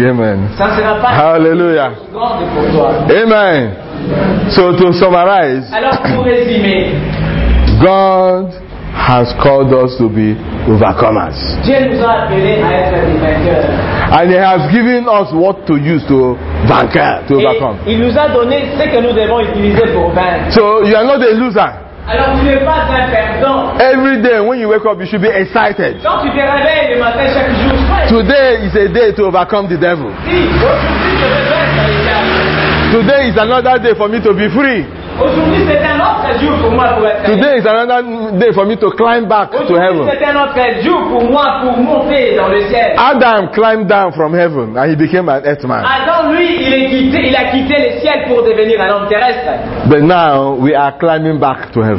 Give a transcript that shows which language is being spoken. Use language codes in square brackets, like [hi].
[en] Amen. Hallelujah. Amen. So to summarize, God has called us to be overcomers. And he has given us what to use to vainqueur, to overcome. [fr] Il nous a donné ce que nous devons utiliser pour vaincre. [en] So you are not a loser. [fr] Alors tu n'es pas un perdant. [en] Every day when you wake up you should be excited. [fr] Quand tu te réveilles le matin chaque jour. [en] Today is a day to overcome the devil. Today is another day for me to be free. [fr] Aujourd'hui c'est un autre jour pour moi pour être. [en] Today is another day for me to climb back to heaven. [fr] Aujourd'hui c'est un autre jour pour moi pour monter dans le ciel. [en] Adam climbed down from heaven and he became an earth man. [fr] Adam lui il a quitté le ciel pour devenir un homme terrestre. [en] But now we are climbing back to heaven.